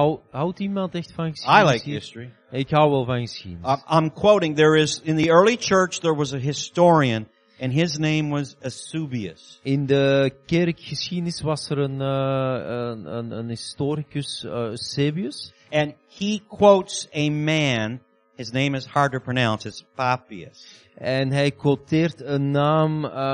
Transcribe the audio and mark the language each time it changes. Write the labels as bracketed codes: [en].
[nl] Houdt iemand echt van geschiedenis? [en] I like history. [nl] Ik hou wel van geschiedenis. [en] I'm quoting, there is, in the early church there was a historian and his name was Eusebius. [nl] In de kerkgeschiedenis was er een historicus, Eusebius. [en] And he quotes a man, his name is hard to pronounce, it's Papias. [nl] En hij quoteert een naam,